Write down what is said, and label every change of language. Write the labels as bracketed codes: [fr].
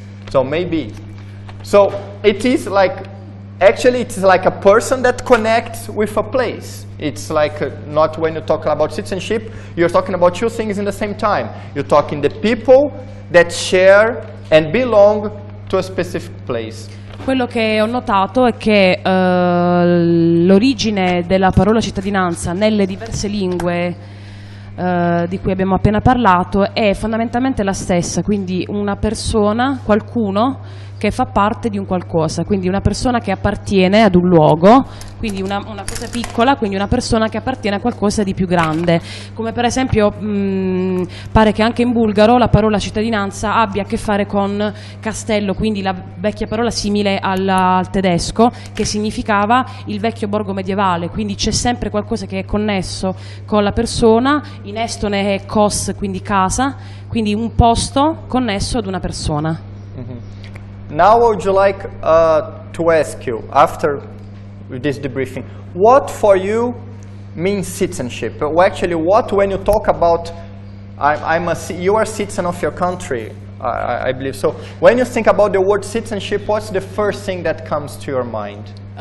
[en] So maybe. So it is like Actually, it's like a person that connects with a place. It's like not when you talk about citizenship, you're talking about two things in the same time. You're talking the people that share and belong to a specific place. [it] Quello che ho notato è che l'origine della parola cittadinanza nelle diverse lingue di cui abbiamo appena parlato è fondamentalmente la stessa, quindi una persona, qualcuno che fa parte di un qualcosa, quindi una persona che appartiene ad un luogo, quindi una cosa piccola, quindi una persona che appartiene a qualcosa di più grande, come per esempio pare che anche in bulgaro la parola cittadinanza abbia a che fare con castello, quindi la vecchia parola simile al tedesco che significava il vecchio borgo medievale, quindi c'è sempre qualcosa che è connesso con la persona. In estone è kos, quindi casa, quindi un posto connesso ad una persona. [en] Now would you like to ask you, after this debriefing, what for you means citizenship? Well, actually, what when you talk about, you are a citizen of your country, I believe. So when you think about the word citizenship, what's the first thing that comes to your mind?